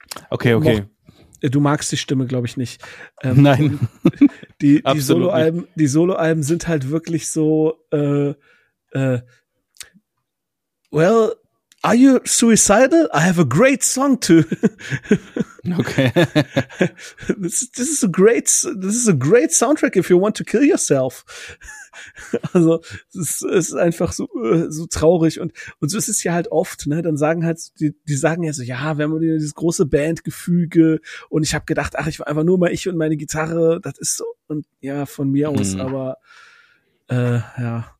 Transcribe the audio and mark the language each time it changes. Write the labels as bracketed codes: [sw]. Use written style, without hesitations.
[de] Okay, okay. Du magst die Stimme, glaube ich, nicht. Nein. Die Solo-Alben, nicht. Die Solo-Alben sind halt wirklich so, [en] well, are you suicidal? I have a great song too. Okay. this is a great soundtrack if you want to kill yourself. [de] Also, es ist einfach so traurig und so ist es ja halt oft, ne? Dann sagen halt die sagen ja so, ja, wir haben dieses große Bandgefüge und ich habe gedacht, ach, ich war einfach nur mal ich und meine Gitarre, das ist so und ja, von mir aus, aber ja.